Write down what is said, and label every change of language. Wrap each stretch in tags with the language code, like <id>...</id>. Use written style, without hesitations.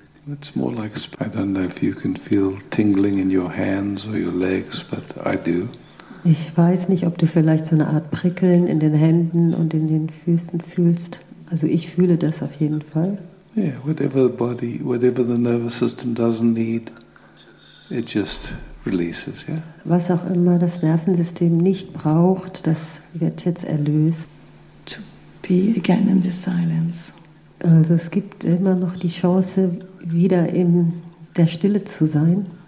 <en>It's more like, I don't know if you can feel tingling in your hands or your legs, but I do.</en> <de>Ich weiß nicht, ob du vielleicht so eine Art Prickeln in den Händen und in den Füßen fühlst. Also ich fühle das auf jeden Fall.</de> <en>Yeah, whatever the body, whatever the nervous system doesn't need, it just releases, yeah?</en> <de>Was auch immer das Nervensystem nicht braucht, das wird jetzt erlöst.</de> <en>To be again in the silence.</en> <de>Also es gibt immer noch die Chance, wieder in der Stille zu sein.</de>